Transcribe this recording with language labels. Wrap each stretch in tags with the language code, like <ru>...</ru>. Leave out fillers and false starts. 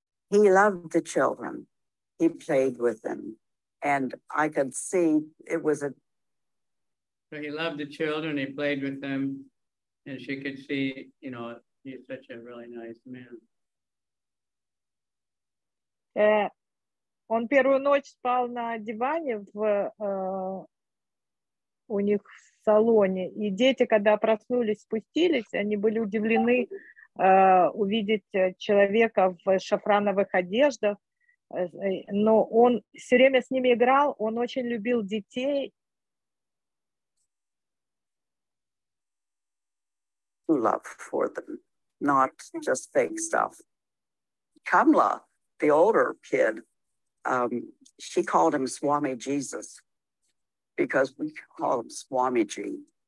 <en>He loved the children. He played with them. And I could see it was a... So he loved the children, he played with them, and she could see, you know, he's such a really nice man.</en> <ru>Он первую ночь спал на диване в у них в салоне. И дети, когда проснулись, спустились, они были удивлены увидеть человека в шафрановых одеждах. Но он все время с ними играл, он очень любил детей.</ru> <en>Love for them, not just fake stuff. Kamala, the older kid, she called him Swami Jesus because we call him Swamiji.</en>